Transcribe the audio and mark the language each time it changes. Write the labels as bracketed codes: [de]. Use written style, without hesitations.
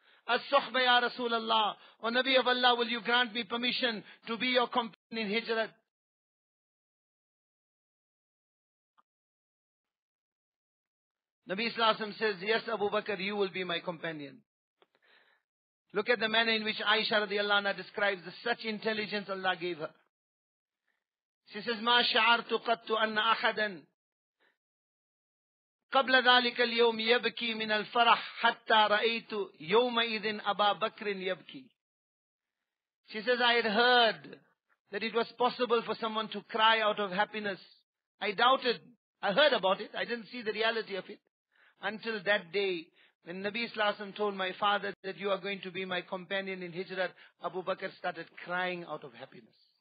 [ar] As-Suhba, Ya Rasulallah. [en] O Nabi of Allah, will you grant me permission to be your companion in Hijrat? Nabi Sallallahu Alaihi Wasallam says, yes, Abu Bakr, you will be my companion. Look at the manner in which Aisha radiallahu anha describes the such intelligence Allah gave her. She says, [ar] مَا شَعَرْتُ قَدْتُ أَنَّ أَحَدًا قَبْلَ ذَلِكَ الْيَوْمِ يَبْكِي مِنَ الْفَرَحِ حَتَّى رَأَيْتُ يَوْمَئِذٍ أَبَا بَكْرٍ يَبْكِي. [en] She says, I had heard that it was possible for someone to cry out of happiness. I doubted. I heard about it. I didn't see the reality of it. Until that day, when Nabi Sallallahu Alaihi Wasallam told my father that you are going to be my companion in Hijrat, Abu Bakr started crying out of happiness.